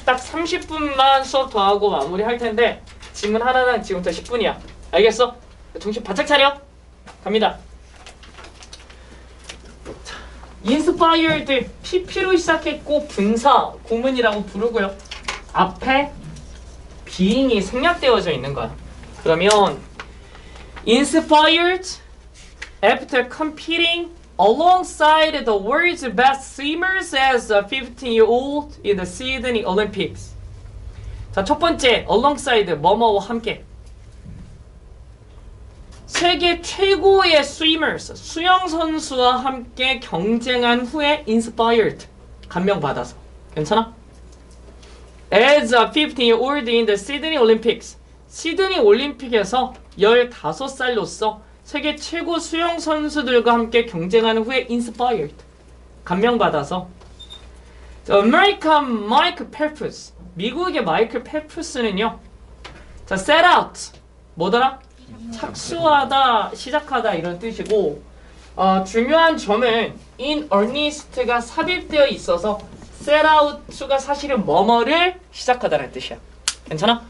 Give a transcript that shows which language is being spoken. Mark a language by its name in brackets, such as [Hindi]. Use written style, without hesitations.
[Korean] 딱 30분만 수업 더 하고 마무리 할 텐데 질문 하나는 지금부터 10분이야. 알겠어? 정신 바짝 차려. 갑니다. 인스파이어드 PP로 시작했고 분사 고문이라고 부르고요. 앞에 being이 생략되어져 있는 거야. [English] 그러면 inspired after competing alongside the world's best swimmers as a 15-year-old in the Sydney Olympics. [Korean] 자, 첫 번째 alongside 뭐뭐와 함께. 세계 최고의 swimmers, 수영 선수와 함께 경쟁한 후에 inspired, 감명 받아서. 괜찮아? [English] As a 15-year-old in the Sydney Olympics. [Korean] 시드니 올림픽에서 15살로서 세계 최고 수영 선수들과 함께 경쟁한 후에 inspired, 감명 받아서. American Mike Phelps, 미국의 마이클 펠프스는요. 자, set out, 뭐더라? 착수하다, 시작하다 이런 뜻이고, 중요한 점은 in earnest가 삽입되어 있어서 set out가 사실은 뭐뭐를 시작하다라는 뜻이야. 괜찮아?